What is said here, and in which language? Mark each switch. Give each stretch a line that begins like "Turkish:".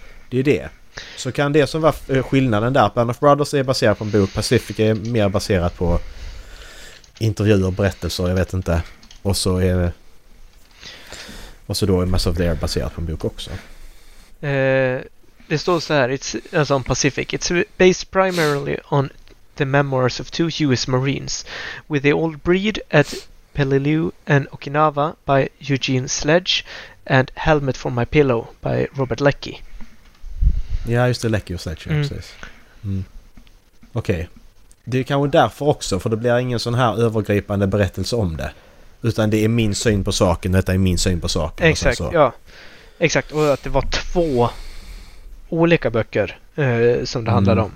Swedish: Det är det. Så kan det som var skillnaden där, Band of Brothers är baserad på en bok, Pacific är mer baserad på intervjuer och berättelser, jag vet inte. Och så är det. Och så då är Mass of the Air baserat på en bok också. Det står så här, it's, alltså on Pacific.
English: It's based primarily on the memoirs of two US Marines with the old breed at Peleliu and Okinawa by Eugene Sledge and Helmet for My Pillow by Robert Leckie.
Swedish: Ja, just det, Leckie och Sledge. Mm. Precis. Mm. Okej. Okay. Det är kanske därför också, för det blir ingen sån här övergripande berättelse om det. Utan det är min syn på saken, detta är min syn på saken. Exakt, så. Ja. Exakt, och att det var två olika böcker som det handlade om.